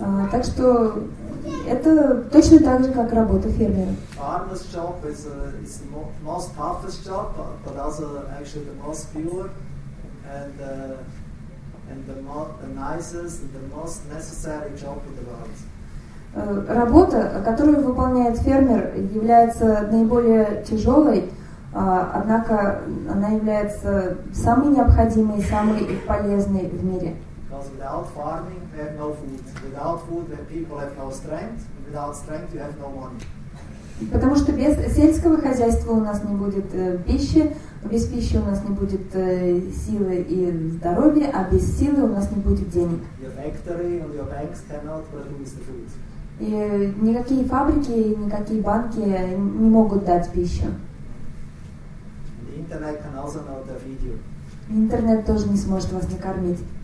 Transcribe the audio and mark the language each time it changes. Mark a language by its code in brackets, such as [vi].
[ru] Так что это точно так же, как работа фермера. [en] Farmer's job is the most toughest job, but also actually the most pure and the nicest and the most necessary job in the world. [ru] Работа, которую выполняет фермер, является наиболее тяжелой, однако она является самой необходимой, самой полезной в мире. [en] Because without farming, we have no food. Without food, the people have no strength. Without strength, you have no money. [ru] Потому что без сельского хозяйства у нас не будет пищи, без пищи у нас не будет силы и здоровья, а без силы у нас не будет денег. [en] Your factory and your banks cannot produce the food. [ru] И никакие фабрики, никакие банки не могут дать пищу. [en] Internet can also not feed you. [ru] Интернет тоже не сможет вас накормить.